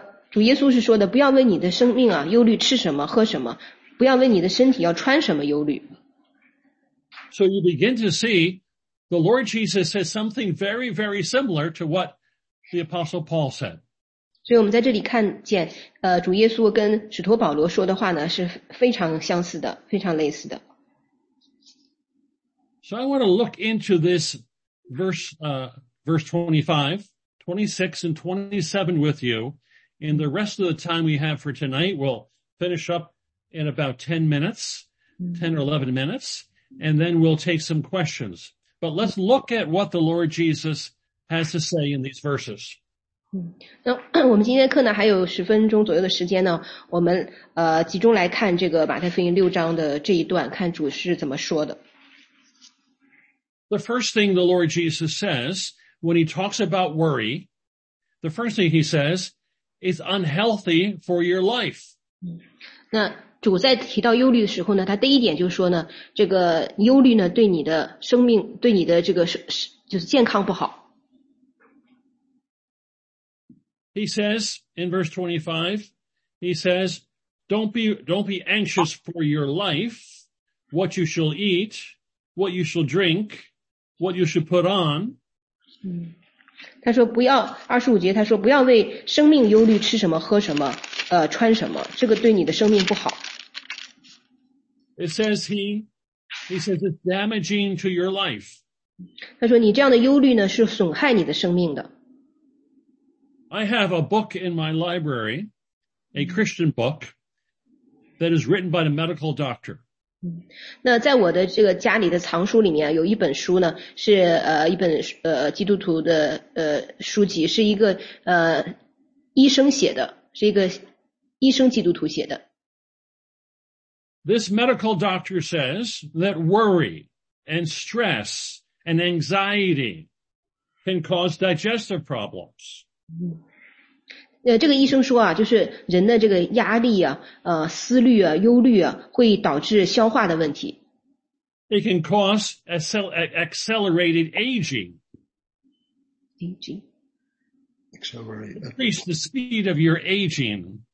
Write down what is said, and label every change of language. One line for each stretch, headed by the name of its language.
Chinese: 主耶稣是说的，不要为你的生命啊，忧虑吃什么，喝什么，不要为你的身体要穿什么忧虑。
English: So you begin to see,The Lord Jesus says something very, very similar to what the Apostle Paul said. 所以我们在这里看见主耶稣跟使徒保罗说的话呢是非常相似的，非常类似的。 So I want to look into this verse 25, 26 and 27 with you. In the rest of the time we have for tonight, we'll finish up in about 10 minutes, 10 or 11 minutes, and then we'll take some questions. But let's look at what the Lord Jesus has to say in these verses.
Chinese: 那我们今天的课呢还有十分钟左右的时间呢，我们集中来看这个马太福音六章的这一段，看主是怎么说的。
English: The first thing the Lord Jesus says when he talks about worry, the first thing he says is unhealthy for your life.
Chinese: 那主在提到忧虑的时候呢，他第一点就是说呢，这个忧虑呢对你的生命，对你的这个就是健康不好。
English: He says in verse 25, he says, don't be anxious for your life, what you shall eat, what you shall drink, what you should put on.
Chinese: 他说不要，二十五节他说不要为生命忧虑吃什么喝什么穿什么，这个对你的生命不好。
English: It says he says it's damaging to your life.
Chinese: 他说你这样的忧虑呢是损害你的生命的。
English: I have a book in my library, a Christian book, that is written by a medical doctor.
Chinese: 那在我的这个家里的藏书里面有一本书呢，是一本基督徒的书籍，是一个医生写的，是一个医生基督徒写的。
English: This medical doctor says that worry and stress and anxiety can cause digestive problems.
Chinese: 这个医生说啊，就是人的这个压力啊，思虑啊，忧虑啊，会导致消化的问题。
English: It can cause accelerated aging. Aging. Accelerated. Increase the speed of your aging.